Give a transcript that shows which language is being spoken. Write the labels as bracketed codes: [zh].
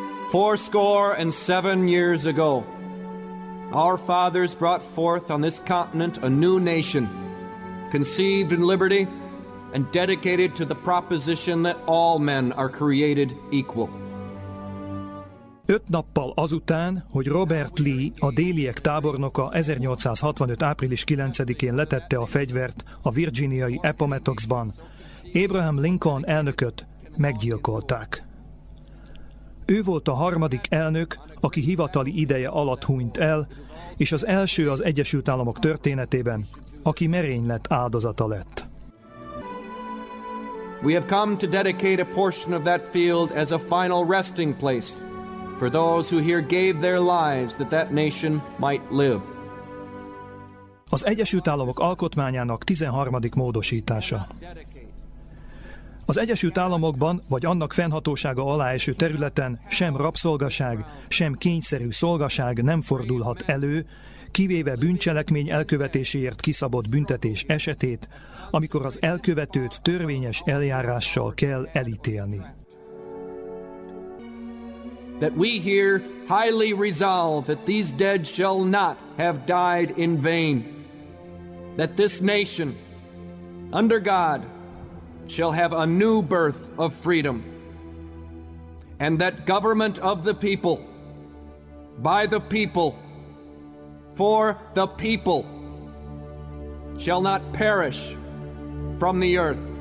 [en] 67 years ago, our fathers brought forth on this continent a new nation, conceived in liberty and dedicated to the proposition that all men are created equal. [hu] 5 nappal azután, hogy Robert Lee, a déliek tábornoka 1865. április 9-én letette a fegyvert a virginiai Appomattoxban, Abraham Lincoln elnököt meggyilkolták. Ő volt a harmadik elnök, aki hivatali ideje alatt hunyt el, és az első az Egyesült Államok történetében, aki merénylet áldozata lett. [en] We have come to dedicate a portion of that field as a final resting place for those who here gave their lives that that nation might live. [hu] Az Egyesült Államok alkotmányának 13. módosítása. Az Egyesült Államokban, vagy annak fennhatósága alá eső területen sem rabszolgaság, sem kényszerű szolgaság nem fordulhat elő, kivéve bűncselekmény elkövetéséért kiszabott büntetés esetét, amikor az elkövetőt törvényes eljárással kell elítélni. [en] that we here highly resolve that these dead shall not have died in vain, that this nation, under God, shall have a new birth of freedom, and that government of the people, by the people, for the people, shall not perish from the earth.